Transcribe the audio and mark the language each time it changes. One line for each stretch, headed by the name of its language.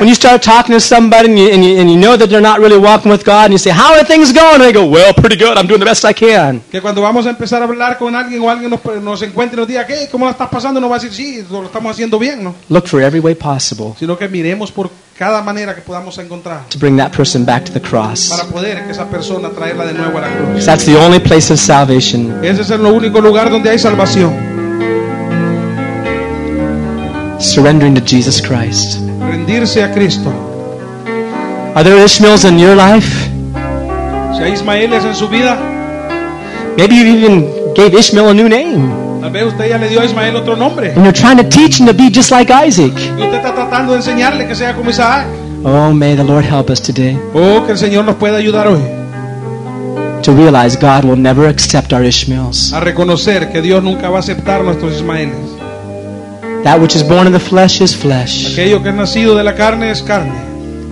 English: When you start talking to somebody and you know that they're not really walking with God, and you say, how are things going? And they go, well, pretty good, I'm doing the best I can.
Spanish: Que cuando vamos a empezar a hablar con alguien o alguien nos encuentre y nos diga, hey, ¿cómo la estás pasando? No va a decir, sí, lo estamos haciendo bien, ¿no?
English: Look for every way possible,
Spanish: sino que miremos por cada manera que podamos encontrar,
English: to bring that person back to the cross,
Spanish: para poder que esa persona traerla de nuevo a la cruz.
English: So that's the only place of salvation.
Spanish: Ese es el único lugar donde hay salvación.
English: Surrendering to Jesus Christ.
Spanish: Rendirse a Cristo.
English: Are there Ishmaels in your life?
Spanish: Si hay Ismaeles en su vida.
English: Maybe you even gave Ishmael a new name.
Spanish: Tal vez usted ya le dio a Ismael otro nombre.
English: And you're trying to teach him to be just like Isaac.
Spanish: Y usted está tratando de enseñarle que sea como Isaac.
English: Oh, may the Lord help us today.
Spanish: Oh, que el Señor nos pueda ayudar hoy.
English: To realize God will never accept our Ishmaels.
Spanish: A reconocer que Dios nunca va a aceptar nuestros Ismaeles.
English: That which is born of the flesh is flesh.
Spanish: Aquello que es nacido de la carne es carne.